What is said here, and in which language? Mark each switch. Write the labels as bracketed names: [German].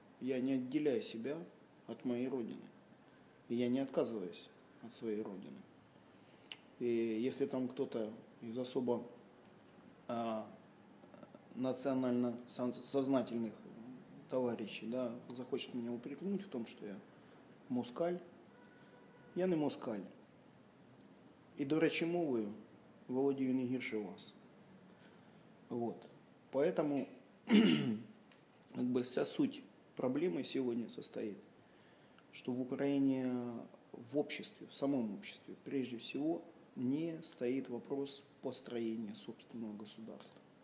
[Russian] Я не отделяю себя от моей родины. И я не отказываюсь от своей родины. И если там кто-то из особо национально сознательных товарищей, да, захочет меня упрекнуть в том, что я москаль, я не москаль. [Ukrainian] И дурачи мовою володію не гірше вас. [Russian] Вот. Поэтому как бы вся суть проблемы сегодня состоит, что в Украине в обществе, в самом обществе, прежде всего, не стоит вопрос построения собственного государства.